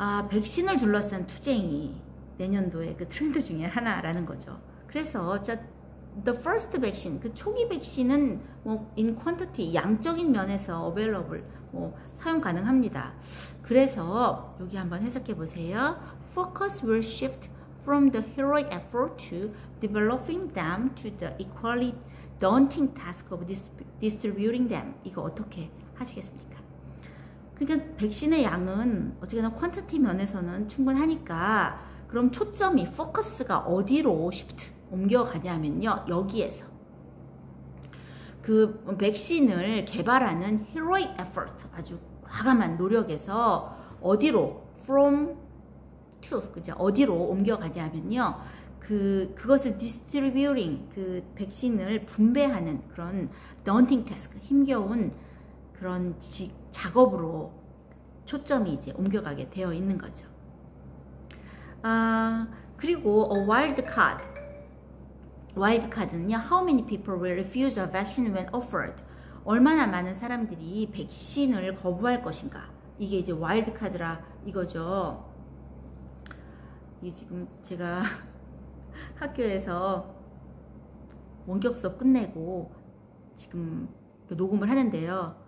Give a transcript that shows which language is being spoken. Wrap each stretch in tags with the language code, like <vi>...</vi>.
<ko>백신을 둘러싼 투쟁이 내년도의 그 트렌드 중에 하나라는 거죠. 그래서</ko> <en>The first vaccine,</en> <ko>그 초기 백신은 뭐</ko> <en>in quantity,</en> <ko>양적인 면에서 available, 뭐 사용 가능합니다. 그래서 여기 한번 해석해 보세요.</ko> <en>Focus will shift from the heroic effort to developing them to the equally daunting task of distributing them.</en> <ko>이거 어떻게 하시겠습니까? 그러니까 백신의 양은 어쨌거나 quantity 면에서는 충분하니까 그럼 초점이, 포커스가 어디로 shift? 옮겨가냐면요, 여기에서 그 백신을 개발하는</ko> <en>heroic effort,</en> <ko>아주 과감한 노력에서 어디로 from to, 그죠? 어디로 옮겨가냐면요, 그것을 distributing, 그 백신을 분배하는 그런</ko> <en>daunting task,</en> <ko>힘겨운 그런 작업으로 초점이 이제 옮겨가게 되어 있는 거죠. 그리고</ko> <en>a wild card. Wild card는요, how many people will refuse a vaccine when offered?</en> <ko>얼마나 많은 사람들이 백신을 거부할 것인가? 이게 이제 wild card라 이거죠. 이게 지금 제가 학교에서 원격 수업 끝내고 지금 녹음을 하는데요.</ko>